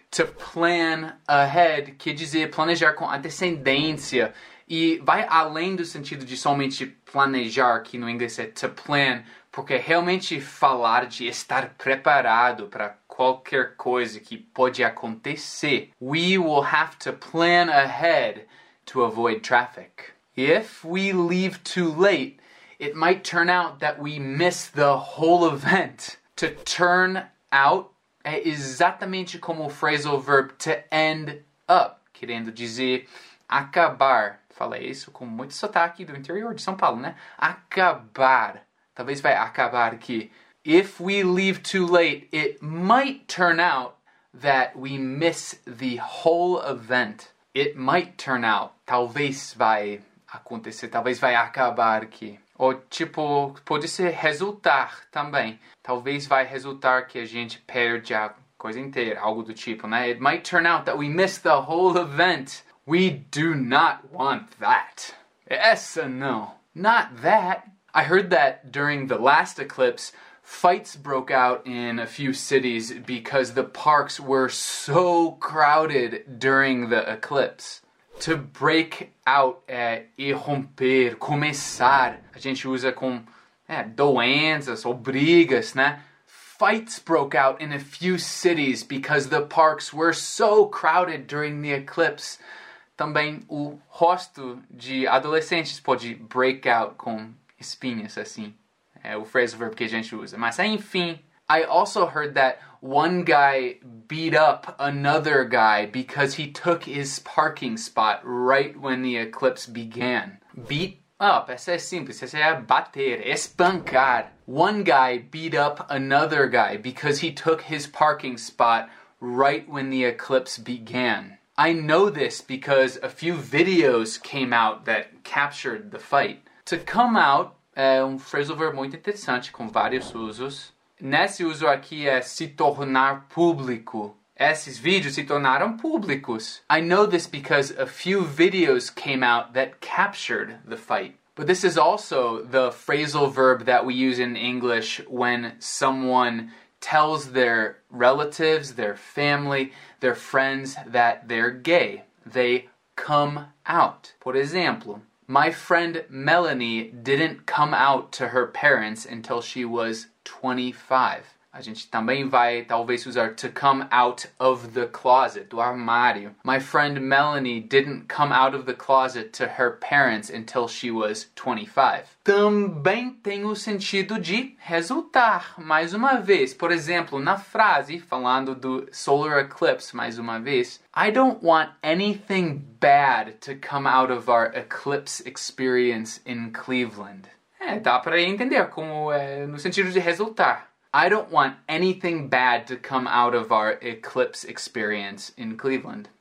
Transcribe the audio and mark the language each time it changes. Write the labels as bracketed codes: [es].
[en] To plan ahead [pt] quer dizer planejar com antecedência. E vai além do sentido de somente planejar, que no inglês é to plan, porque realmente falar de estar preparado para qualquer coisa que pode acontecer. [en] We will have to plan ahead to avoid traffic. If we leave too late, it might turn out that we miss the whole event. [pt] To turn out é exatamente como o phrasal verb to end up, querendo dizer acabar. Falei isso com muito sotaque do interior de São Paulo, né? Acabar. Talvez vai acabar aqui. [en] If we leave too late, it might turn out that we miss the whole event. It might turn out. [pt] Talvez vai acontecer. Talvez vai acabar aqui. Ou, tipo, pode ser resultar também. Talvez vai resultar que a gente perde a coisa inteira, algo do tipo, né? [en] It might turn out that we miss the whole event. We do not want that. [pt] Essa não. [en] Not that. I heard that during the last eclipse, fights broke out in a few cities because the parks were so crowded during the eclipse. [pt] To break out é irromper, começar. A gente usa com doenças ou brigas, né? [en] Fights broke out in a few cities because the parks were so crowded during the eclipse. [pt] Também o rosto de adolescentes pode break out com espinhas, assim. É o phrasal verb que a gente usa. Mas, enfim, [en] I also heard that one guy beat up another guy because he took his parking spot right when the eclipse began. [pt] Beat up. Essa é simples. Essa é bater. Espancar. [en] One guy beat up another guy because he took his parking spot right when the eclipse began. I know this because a few videos came out that captured the fight. [pt] To come out é phrasal verb muito interessante com vários usos. Nesse uso aqui é se tornar público. Esses vídeos se tornaram públicos. [en] I know this because a few videos came out that captured the fight. But this is also the phrasal verb that we use in English when someone tells their relatives, their family, their friends that they're gay. They come out. [pt] Por exemplo, [en] my friend Melanie didn't come out to her parents until she was 25. [pt] A gente também vai talvez usar [en] to come out of the closet, [pt] do armário. [en] My friend Melanie didn't come out of the closet to her parents until she was 25. [pt] Também tem o sentido de resultar, mais uma vez. Por exemplo, na frase, falando do solar eclipse, mais uma vez. [en] I don't want anything bad to come out of our eclipse experience in Cleveland. [pt] Dá para entender como é no sentido de resultar. [en] I don't want anything bad to come out of our eclipse experience in Cleveland.